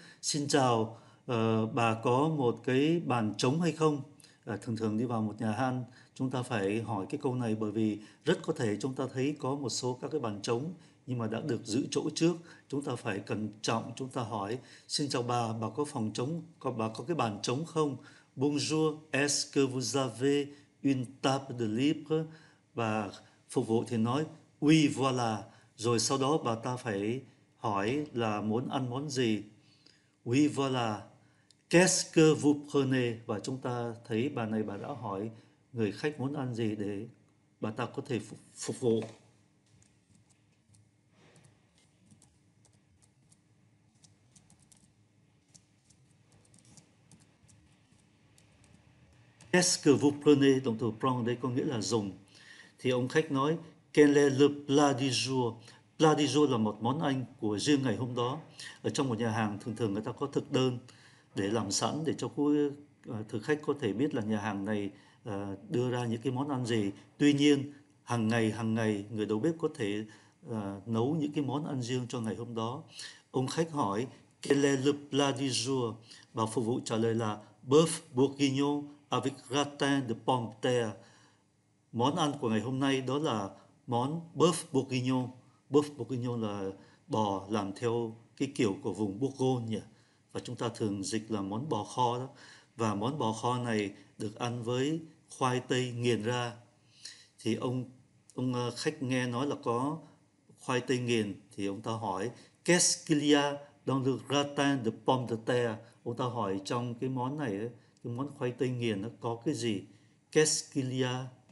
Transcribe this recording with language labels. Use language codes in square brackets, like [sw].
[vi] Xin chào, bà có một cái bàn trống hay không? Thường thường đi vào một nhà hàng chúng ta phải hỏi cái câu này, bởi vì rất có thể chúng ta thấy có một số các cái bàn trống nhưng mà đã được giữ chỗ trước. Chúng ta phải cẩn trọng, chúng ta hỏi xin chào bà có phòng trống, bà có cái bàn trống không? [fr] Bonjour, est-ce que vous avez une table de libre? [vi] Bà phục vụ thì nói [fr] oui, voilà. [vi] Rồi sau đó bà ta phải hỏi là muốn ăn món gì? [fr] Oui, voilà. Qu'est-ce que vous prenez? [vi] Và chúng ta thấy bà này bà đã hỏi người khách muốn ăn gì để bà ta có thể phục vụ. [fr] Qu'est-ce que vous prenez? [vi] Động từ prendre đây có nghĩa là dùng. Thì ông khách nói, [fr] quel est le plat du jour? [vi] Plat du jour là một món ăn của riêng ngày hôm đó. Ở trong một nhà hàng thường thường người ta có thực đơn để làm sẵn để cho thực khách có thể biết là nhà hàng này đưa ra những cái món ăn gì. Tuy nhiên, hàng ngày người đầu bếp có thể nấu những cái món ăn riêng cho ngày hôm đó. Ông khách hỏi, [fr] quel est le plat du jour? Bà phục vụ trả lời là bœuf bourguignon avec gratin de pommes de terre. [vi] Món ăn của ngày hôm nay đó là món bœuf bourguignon. Bœuf bourguignon là bò làm theo cái kiểu của vùng Bourgogne nhỉ? Và chúng ta thường dịch là món bò kho đó. Và món bò kho này được ăn với khoai tây nghiền ra. Thì ông khách nghe nói là có khoai tây nghiền. [fr] Thì ông ta hỏi, qu'est-ce qu'il y a dans le gratin de pommes de terre? [vi] Ông ta hỏi trong cái món này, cái món khoai tây nghiền nó có cái gì? [fr] Qu'est-ce qu'il y a?